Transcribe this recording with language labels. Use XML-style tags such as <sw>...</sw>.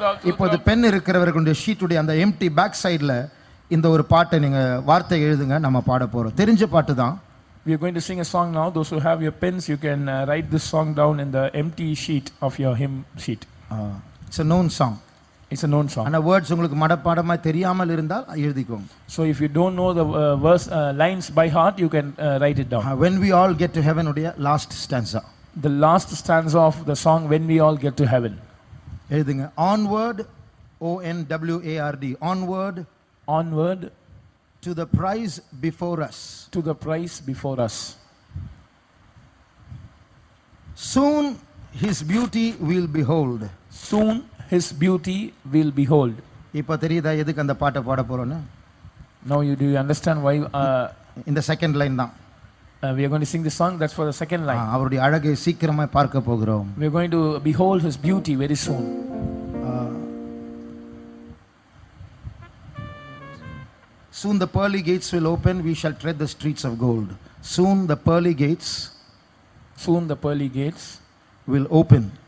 <ta>இப்போது பென் இருக்கிறவர்களுடைய ஷீட்டுடைய அந்த empty back சைடுல இந்த ஒரு பாட்டை நீங்க வார்த்தை எழுதுங்க, நம்ம பாட போறோம். தெரிஞ்ச பாட்டு தான்.</ta> <en>We are going to sing a song now. Those who have your pens, you can write this song down in the empty sheet of your hymn sheet. It's a known song. It's a known song. And the words</en> <ta>ungalku madapadama theriyamal irundal ezhudikkom.</ta> <en>So if you don't know the verse lines by heart, you can write it down. When we all get to heaven, odia last stanza, the last stanza of the song, when we all get to heaven.</en> <ta>Ezhudinga</ta> <en>onward, onward, onward, onward to the prize before us, to the prize before us. Soon his beauty we'll behold, soon his beauty will behold.</en> <ta>இப்ப தெரியதா எதுக்கு அந்த பாட்டை பாட போறோம்னு?</ta> <en>Now you do you understand why in the second line தான் we are going to sing the song, that's for the second line.</en> <ta>அவருடைய அழகை சீக்கிரமாய் பார்க்க போகிறோம்.</ta> <en>We are going to behold his beauty very soon. Soon the pearly gates will open, we shall tread the streets of gold. Soon the pearly gates will open,</en>